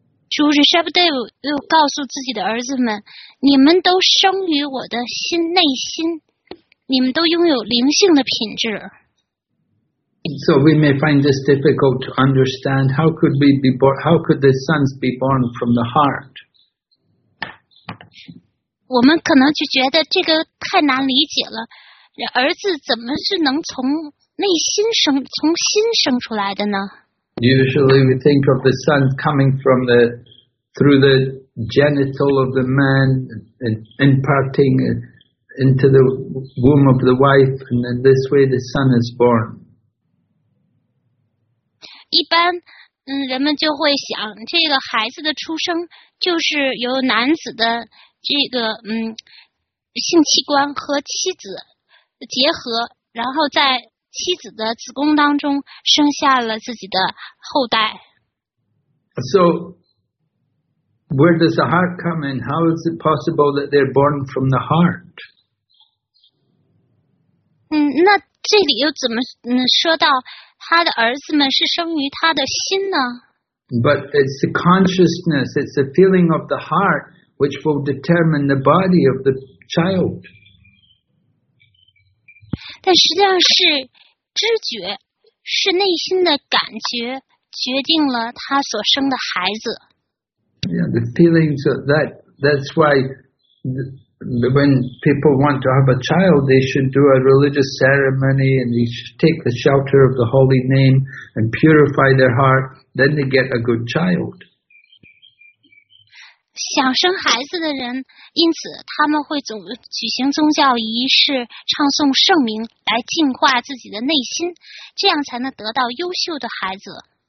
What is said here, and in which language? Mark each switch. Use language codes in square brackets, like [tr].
[zh] 主 Rishabhdev 又告诉自己的儿子们，你们都生于我的心内心，你们都拥有灵性的品质。 [en] So we may find this difficult to understand. How could we be born? How could the sons be born from the heart? [zh] 我们可能就觉得这个太难理解了。儿子怎么是能从内心生，从心生出来的呢？ [en] Usually we think of the sons coming from the through the genital of the man and imparting into the womb of the wife, and then this way the son is born. [zh] 一般，人们就会想，这个孩子的出生就是由男子的这个性器官和妻子结合，然后在妻子的子宫当中生下了自己的后代。 [en] So, where does the heart come in? How is it possible that they're born from the heart? [zh] 那这里又怎么说到？他的儿子们是生于他的心呢。 [en] But it's the consciousness, it's the feeling of the heart which will determine the body of the child. [zh] 但实际上是知觉，是内心的感觉决定了他所生的孩子。 [en] Yeah, the feelings of that's why when people want to have a child, they should do a religious ceremony and they should take the shelter of the holy name and purify their heart. Then they get a good child. [zh] 想生孩子的人，因此他们会举行宗教仪式，唱诵圣名来净化自己的内心，这样才能得到优秀的孩子。